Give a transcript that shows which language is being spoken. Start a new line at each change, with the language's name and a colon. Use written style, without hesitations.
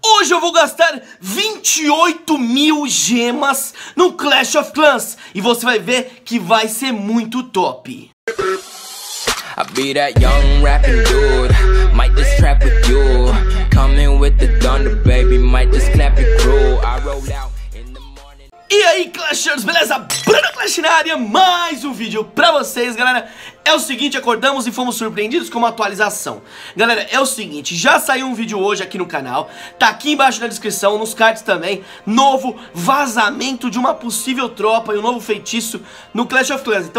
Portuguese: hoje eu vou gastar 28 mil gemas no Clash of Clans e você vai ver que vai ser muito top.
English: I be that young rapping dude, might just trap with you. Coming with the thunder, baby, might just clap it through. I roll out.
Portuguese: E aí, Clashers, beleza? Bruno Clash na área, mais um vídeo pra vocês, galera. É o seguinte, acordamos e fomos surpreendidos com uma atualização. Galera, é o seguinte, já saiu um vídeo hoje aqui no canal, tá aqui embaixo na descrição, nos cards também, novo vazamento de uma possível tropa e um novo feitiço no Clash of Clans.